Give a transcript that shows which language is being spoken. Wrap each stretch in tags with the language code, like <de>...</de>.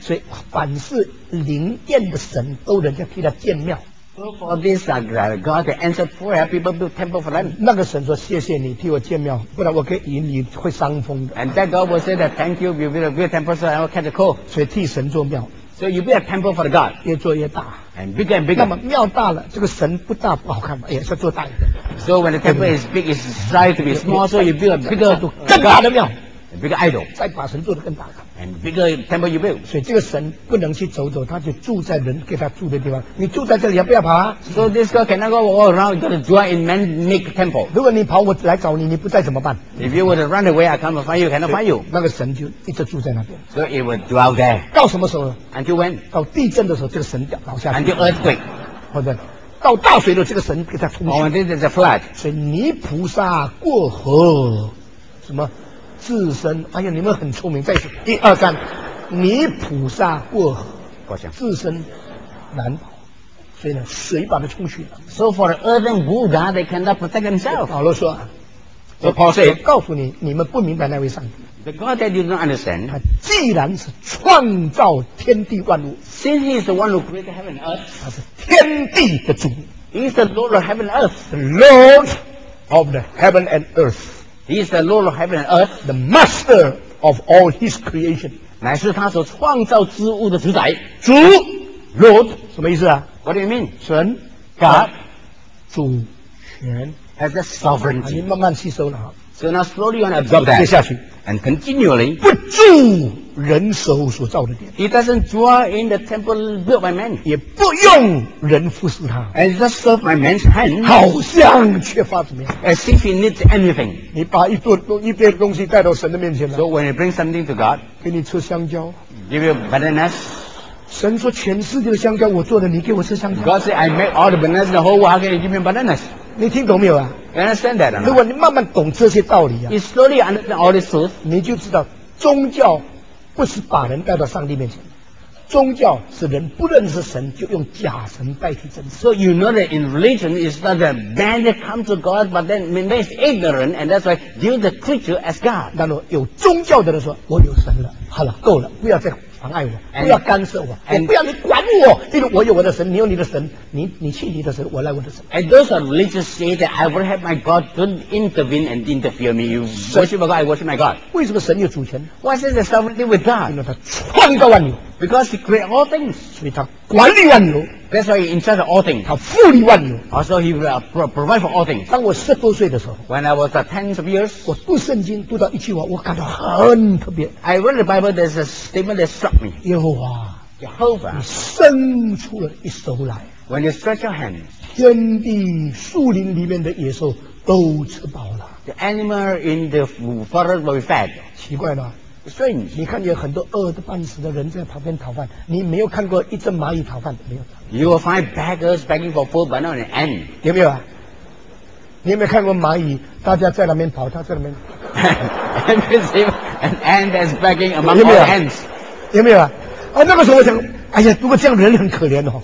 <zh>所以凡是灵验的神都人家替他建庙。</zh> <en>So for this God to answer prayer, people build temple for them.</en> <zh>那个神说谢谢你替我建庙，不然我可以你会伤风的。</zh> <en>And that God will say that thank you, you build a good temple so I will catch a cold.</en> <zh>所以替神做庙。</zh> <en>So you build a temple for the God.</en> <zh>越做越大。</zh> <en>And bigger and bigger.</en> <zh>那么庙大了，这个神不大不好看嘛，也是要做大一点。</zh> <en>So when the temple is big, it's strive to be small, so you build a bigger,</en> <zh>更大的庙。</zh> <en>Bigger idol，</en> <zh>再把神做得更大。</zh> <en>And bigger temple you build，</en> <zh>所以这个神不能去走走，他就住在人给他住的地方。你住在这里，也不要跑。</zh> <en>So this God cannot go all around. You gotta dwell in man-made temple。</en> <zh>如果你跑，我来找你，你不在怎么办</zh> <en>？If you were to run away, I come and find you, cannot find you。</en> <zh>那个神就一直住在那边。</zh> <en>So it will dwell there。</en> <zh>到什么时候</zh> <en>？Until when？</en> <zh>到地震的时候，这个神掉倒下去。</zh> <en>Until earthquake，</en> <zh>或者到大水了，这个神给他冲去。</zh> <en>Oh, this is a flood。</en> <zh>所以泥菩萨过河，什么？自身，哎呀，你们很聪明。再次，第二章，泥菩萨过河，过江，自身难保，所以呢，水把它冲去了。</zh> <en>So for the earthen Buddha, they cannot protect themselves。</en> <zh>保罗说</zh> <en>，So Paul said，</en> <zh>我告诉你，你们不明白那位上帝。</zh> <en>The God that you don't understand，</en> <zh>他既然是创造天地万物</zh> <en>，Since he is the one who created heaven and earth，</en> <zh>他是天地的主</zh> <en>，He is the Lord of heaven and earth， the Lord of the heaven and earth。 He is the Lord of heaven and earth, the master of all his creation.</en> <zh>乃是他所创造之物的主宰。主 ，Lord， 什么意思啊</zh> <en>？What do you mean?</en> <zh>神</zh> <en>，God，</en> <zh>主权</zh> <en>，has the sovereignty.</en> <zh>你慢慢吸收了。</zh> <en>So now slowly you want to absorb that.</en> <zh>接下去</zh> <en>，and continually</en> <zh>不住人手所造的殿。</zh> <en>He doesn't dwell in the temple built by man.</en> <zh>也不用人服侍他。</zh> <en>And just serve by man's hand.</en> <zh>好像缺乏什么</zh> <en>？As if he needs anything.</en> <zh>你把一堆东西带到神的面前来。</zh> <en>So when you bring something to God,</en> <zh>给你吃香蕉。</zh> <en>Give you bananas.</en> <zh>神说全世界的香蕉我做的，你给我吃香蕉。</zh> <en>God said I make all the bananas in the whole world. How can you give me bananas?</en> <zh>你听懂没有啊</zh> <en>？You understand that?</en> <zh>如果你慢慢懂这些道理啊</zh> <en>，You slowly understand all these truths.</en> <zh>你就知道宗教。不是把人带到上帝面前，宗教是人不认识神就用假神代替真神。</zh> <en>So you know that in religion is not that man that come to God, but then man is ignorant, and that's why view the creature as God.</en> <zh>那么有宗教的人说，我有神了，好了，够了，不要再妨碍我，不要干涉我，我不要你管我，因为我有我的神，你有你的神，你去你的神，我来我的神。</zh> <en>And those are religious say that I will have my God, don't intervene and interfere me. You worship my God, I worship my God.</en> <zh>为什么神有主权</zh> <en>？Why is the sovereignty with God?</en> <zh>因为他创造万有</zh> <en>Because he created all things.</en> <zh>所以他管理万有。</zh> <en>That's why he inside all things.</en> <zh>他富利万有。</zh> <en>Also he will provide for all things.</en> <zh>当我十多岁的时候。</zh> <en>When I was tens of years.</en> <zh>我读圣经读到一句话我感到很特别。</zh> <en>I read the Bible, there's a statement that struck me.</en> <zh>耶和华。</zh> <en>Jehovah.</en> <zh>你伸出了一手来。</zh> <en>When you stretch your hand.</en> <zh>天地树林里面的野兽都吃饱了。</zh> <en>The animal in the forest will be fed.</en> <zh>奇怪吗？所以你看有很多饿得半死的人在旁边讨饭，你没有看过一只蚂蚁讨饭没有</zh> <en>？You will find beggars begging for food, but not an ant.</en> <zh>有没有啊？你有没有看过蚂蚁？大家在那边跑，他在那边。</zh> <en>An ant that's begging among all ants.</en> <zh>有没有啊？啊，那个时候我想，哎呀，不过这样的人很可怜哦。</zh>